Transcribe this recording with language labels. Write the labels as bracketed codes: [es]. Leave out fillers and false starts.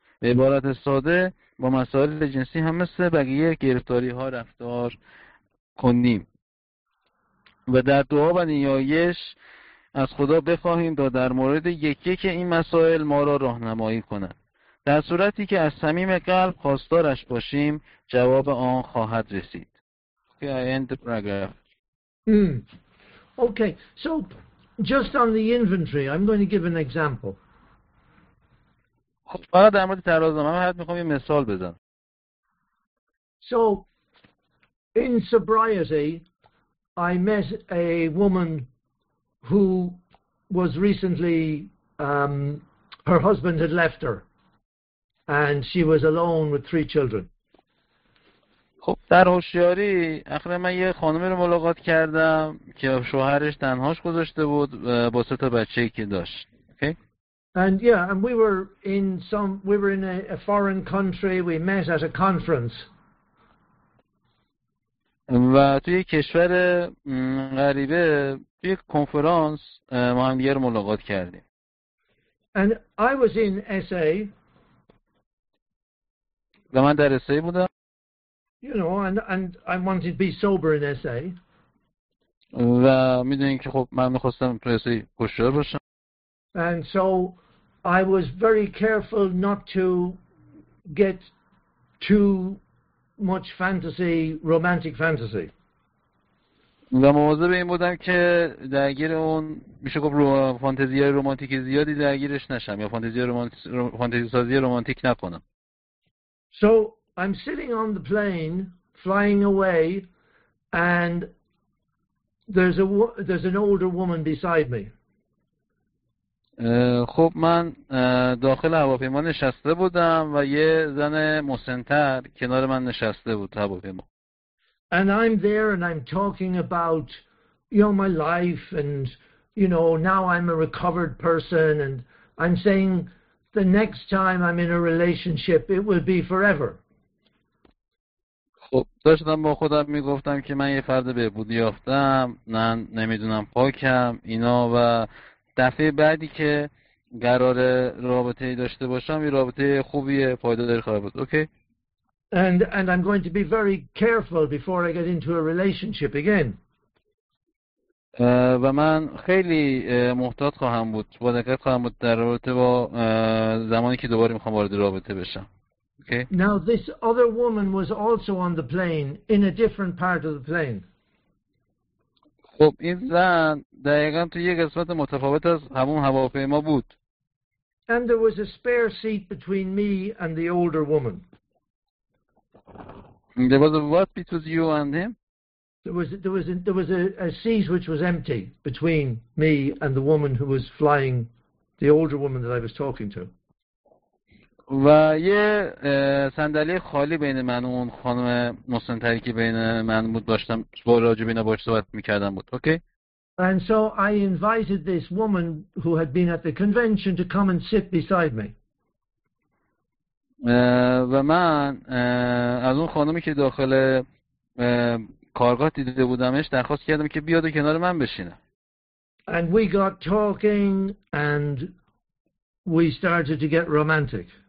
[fa] به عبارت ساده با مسائل جنسی هم مثل بقیه گرفتاری ها رفتار کنیم و در دعا و نیایش از خدا بخواهیم تا در مورد یکی که این مسائل ما را راهنمایی کند. در صورتی که از صمیم قلب خواستارش باشیم جواب آن خواهد رسید. [en] Okay, I end the paragraph. Okay, so just on the inventory, I'm going to give an example. [fa] خب فقط در مورد ترازنامه هم حتی میخوام یه مثال بزنم. [en] So, in sobriety, I met a woman who was recently, her husband had left her, and she was alone with three children. [fa] خب در هوشیاری اخیرا من یه خانمی رو ملاقات کردم که شوهرش تنهاش گذاشته بود با سه تا بچه‌ای که داشت. [en] Okay. And yeah, and we were in a foreign country. We met at a conference. [fa] و توی کشور غریبه توی کنفرانس ما هم دیگر ملاقات کردیم. [en] And I was in SA. [fa] و من در SA بودم. [en] You know, and I wanted to be sober in SA. [fa] و میدونین که خب من میخواستم توی SA هوشیار باشم. [en] And so I was very careful not to get too much fantasy, romantic fantasy. [fa] و مواظب این بودم که درگیر اون میشه گفت فانتزی رمانتیک زیادی درگیرش نشم یا فانتزی رمانتیک نکنم. [en] So I'm sitting on the plane flying away and there's an older woman beside me. [fa] خب من داخل هواپیما نشسته بودم و یه زن مسن‌تر کنار من نشسته بود هواپیما. [en] And I'm there and I'm talking about you know my life and you know now I'm a recovered person and I'm saying the next time I'm in a relationship it will be forever. [fa] خب داشتم با خودم میگفتم که من یه فرد بهبودی یافتم، من نمیدونم پاکم اینا و دفعه بعدی که قرار رابطه ای داشته باشم این رابطه خوبیه پایدار خواهد بود. [en] Okay. And I'm going to be very careful before I get into a relationship again. [fa] و من خیلی محتاط خواهم بود. با دقت خواهم بود در رابطه با زمانی که دوباره میخوام وارد رابطه بشم. [en] Okay. Now this other woman was also on the plane in a different part of the plane. [fa] خب این زن دقیقا تو یه قسمت متفاوت از همون هواپیما بود. [en] And there was a spare seat between me and the older woman. There was a what between you and him? There was a seat which was empty between me and the woman who was flying, the older woman that I was talking to. [fa] و یه صندلی خالی بین من و اون خانم مسن‌تری که بین من بود داشتم با راجبینا باش صحبت میکردم بود. [en] Okay. And so I invited this woman who had been at the convention to come and sit beside me. [fa] و من از اون خانمی که داخل کارگاه دیده بودمش درخواست کردم که بیاد کنار من بشینه. [en] And we got talking and we started to get romantic.